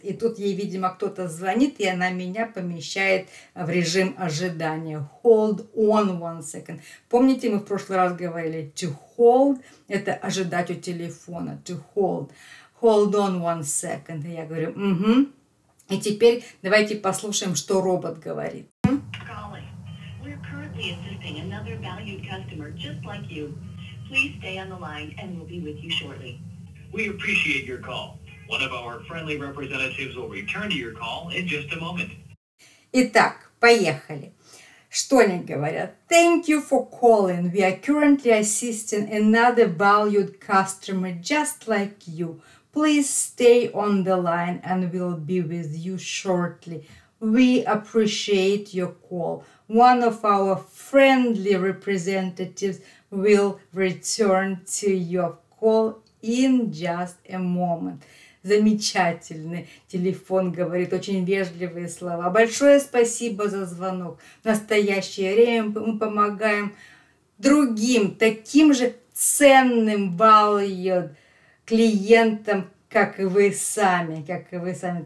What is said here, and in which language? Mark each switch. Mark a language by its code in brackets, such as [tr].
[ru] И тут ей, видимо, кто-то звонит, и она меня помещает в режим ожидания. [en] Hold on one second. [ru] Помните, мы в прошлый раз говорили [en] to hold? [ru] Это ожидать у телефона. [en] To hold. Hold on one second. [ru] И я говорю, угу. И теперь давайте послушаем, что робот говорит. [en] Calling. We're currently assisting another valued customer just like you. Please stay on the line and we'll be with you shortly. We appreciate your call. One of our friendly representatives will return to your call in just a moment. [ru] Итак, поехали. Что они говорят? [en] Thank you for calling. We are currently assisting another valued customer just like you. Please stay on the line and we'll be with you shortly. We appreciate your call. One of our friendly representatives will return to your call in just a moment. [ru] Замечательный телефон говорит, очень вежливые слова. Большое спасибо за звонок. В настоящее время мы помогаем другим, таким же ценным valued клиентам, как и вы сами. Как и вы сами.